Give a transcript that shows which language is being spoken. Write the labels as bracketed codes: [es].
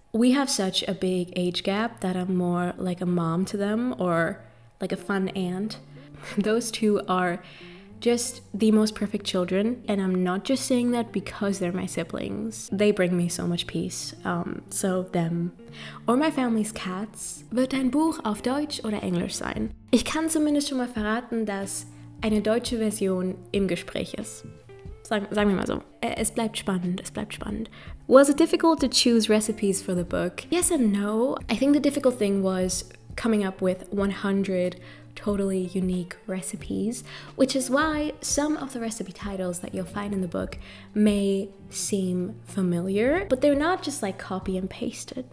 [en] We have such a big age gap that I'm more like a mom to them or like a fun aunt. Those two are just the most perfect children. And I'm not just saying that because they're my siblings. They bring me so much peace. So them. Or my family's cats. [de] Wird dein Buch auf Deutsch oder Englisch sein? Ich kann zumindest schon mal verraten, dass eine deutsche Version im Gespräch ist. Sagen wir mal so. Es bleibt spannend, es bleibt spannend. [en] Was it difficult to choose recipes for the book? Yes and no. I think the difficult thing was coming up with 100 totally unique recipes, which is why some of the recipe titles that you'll find in the book may seem familiar, but they're not just like copy and pasted.